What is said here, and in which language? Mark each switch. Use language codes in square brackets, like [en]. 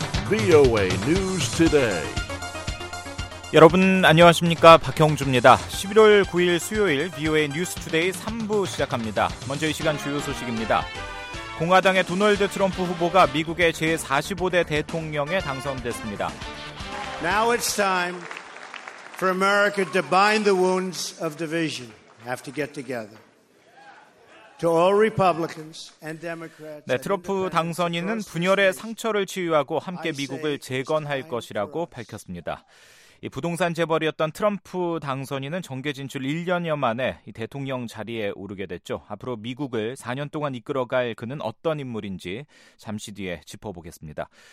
[ko] 비오에이 뉴스 투데이. 여러분 안녕하십니까? 박형주입니다. 11월 9일 수요일 비오에이 뉴스 투데이 3부 시작합니다. 먼저 이 시간 주요 소식입니다. 공화당의 도널드 트럼프 후보가 미국의 제45대 대통령에 당선됐습니다. [en] Now it's time for America to bind the wounds of division. Have to get together. To all Republicans and Democrats. [ko] 네, 트럼프 당선인은 분열의 상처를 치유하고 함께 미국을 재건할 것이라고 밝혔습니다. 이 부동산 재벌이었던 트럼프 당선인은 정계 진출 1년여 만에 이 대통령 자리에 오르게 됐죠. 앞으로 미국을 4년 동안 이끌어갈 그는 어떤 인물인지 잠시 뒤에 짚어보겠습니다.